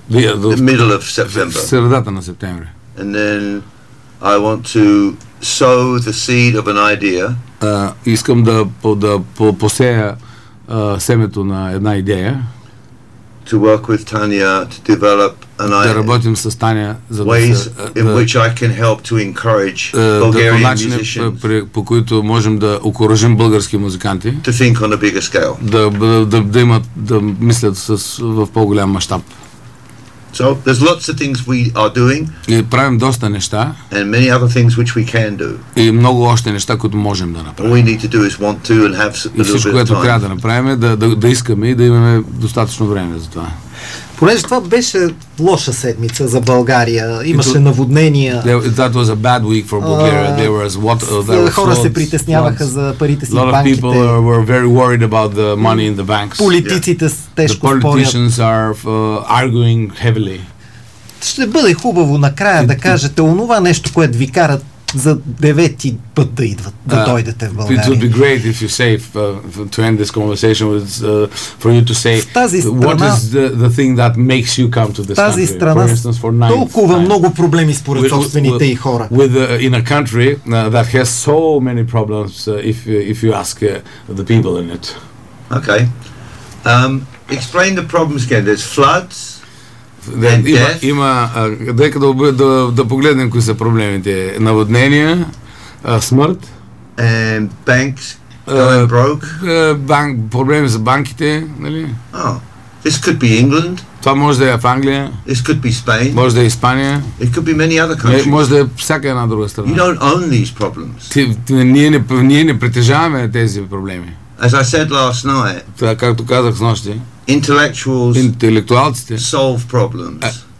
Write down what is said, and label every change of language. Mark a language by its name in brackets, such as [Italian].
[English] The middle of September. [Bulgarian] Средата на септември. [English] And then I want to sow the seed of an idea. [Bulgarian] Искам да посея семето на една идея. [English] To work with Tanya to develop an idea. [Bulgarian] Да работим с Таня за [English] ways in which I can help to encourage Bulgarian musicians. [Bulgarian] По които можем да окуражим български музиканти. [English] To think on a bigger scale. [Bulgarian] Да имат да мислят в по-голям мащаб. [English] So there's lots of things we are doing. [Bulgarian] И правим доста неща. [English] And many other things which we can do. [Bulgarian] И много още неща, които можем да направим. [English] All we need to do is want to and have a little bit of time. [Bulgarian] Всичко, което трябва да направим, да искаме и да имаме достатъчно време за това. Понеже това беше лоша седмица за България. Имаше наводнения. [English] That was a bad week for Bulgaria. There was [Bulgarian] хора се притесняваха за парите си в банките. [English] A lot of people were very worried about the money in the banks. [Bulgarian] Политиците тежко спорят. [English] The politicians are arguing heavily. [Bulgarian] Ще бъде хубаво накрая да кажете онова нещо, което ви карат за девети път да идват, да дойдете в България. [English] It would be great if you say to end this conversation with for you to say [Bulgarian] страна, [English] what is the thing that makes you come to this [Bulgarian] тази [English] country. [Bulgarian] Тази страна [English] for ninth, [Bulgarian] толкова [English] ninth. [Bulgarian] Много проблеми според собствените и хора. [English] In a country that has so many problems if you ask the people in it. Okay. Explain the problems again. There's floods. [Bulgarian] Има, дека да погледнем кои са проблемите. Наводнения, смърт. [English] And banks going broke. [Bulgarian] Проблеми за банките, нали? [English] Oh, this could be England. [Bulgarian] Това може да е в Англия. [English] This could be Spain. [Bulgarian] Може да е Испания. [English] It could be many other countries. [Bulgarian] Може да е всяка една друга страна. [English] You don't own these problems. [Bulgarian] Ние не притежаваме тези проблеми. [English] As I said last night. [Bulgarian] Така както казах снощи. Интелектуалците [English] solve problems.